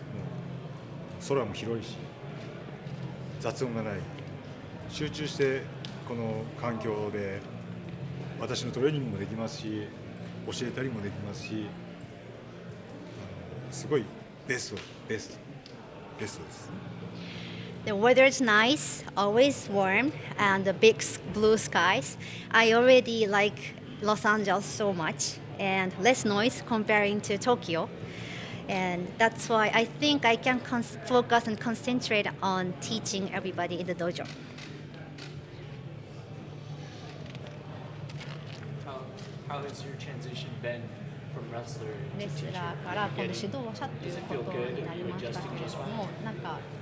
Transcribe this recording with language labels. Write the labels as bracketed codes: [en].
[ja] もう空も広いし雑音がない、集中してこの環境で私のトレーニングもできますし教えたりもできますし、すごいベストです。 [en] The weather is nice, always warm, and the big blue skies. I already like Los Angeles so much, and less noise comparing to Tokyo. And that's why I think I can focus and concentrate on teaching everybody in the dojo. How has your transition been from wrestler to teacher? [ja] から今度指導者っていうことになりましたけれども、なんか